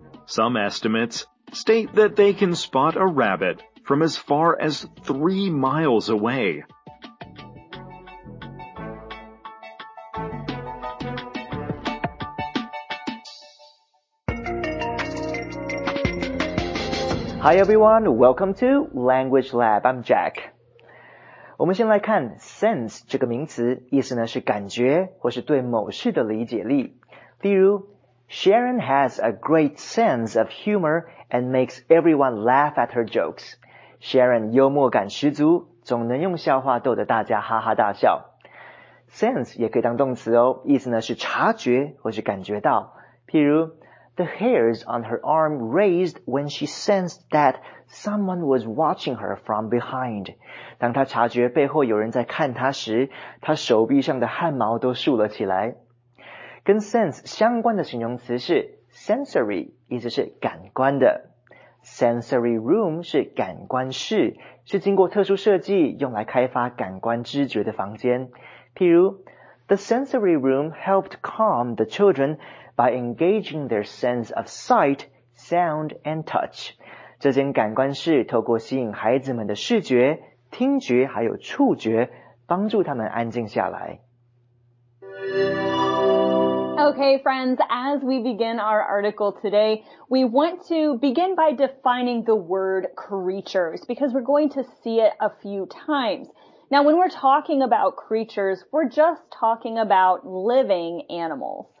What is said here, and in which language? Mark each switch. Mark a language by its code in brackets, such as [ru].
[en] Some estimates state that they can spot a rabbit from as far as 3 miles away. Hi everyone, welcome to Language Lab, I'm Jack. [zh] 我们先来看 sense 这个名词，意思呢是感觉或是对某事的理解力。例如 [en] ,Sharon has a great sense of humor and makes everyone laugh at her jokes. [zh] Sharon 幽默感十足，总能用笑话逗得大家哈哈大笑。 Sense 也可以当动词哦，意思呢是察觉或是感觉到。譬如 [en] The hairs on her arm raised when she sensed that someone was watching her from behind. [zh] 当她察觉背后有人在看她时，她手臂上的汗毛都竖了起来。跟 sense 相关的形容词是 sensory, 意思是感官的。 Sensory room 是感官室，是经过特殊设计用来开发感官知觉的房间。譬如 [en] ,The sensory room helped calm the children,by engaging their sense of sight, sound, and touch. [zh] 这间感官室透过吸引孩子们的视觉、听觉还有触觉，帮助他们安静下来。 [en] Okay, friends, as we begin our article today, we want to begin by defining the word creatures, because we're going to see it a few times. Now, when we're talking about creatures, we're just talking about living animals.